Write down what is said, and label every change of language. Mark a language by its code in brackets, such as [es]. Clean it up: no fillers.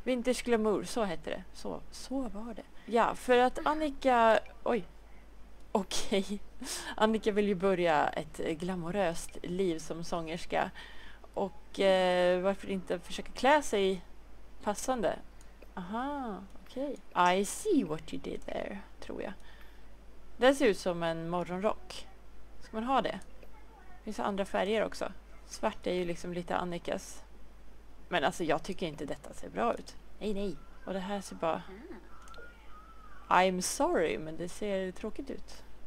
[sv] Vintage Glamour, så heter det. Så var det. Ja, för att Annika... Oj. Okej. Annika vill ju börja ett glamoröst liv som sångerska. Och varför inte försöka klä sig passande? Aha, okej. [en] I see what you did there, [sv] tror jag. Det ser ut som en morgonrock. Ska man ha det? Det finns andra färger också. Svart är ju liksom lite Annikas. Men alltså, jag tycker inte detta ser bra ut. Nej, nej. Och det här ser bara... [en] I'm sorry, [sv] men det ser tråkigt ut.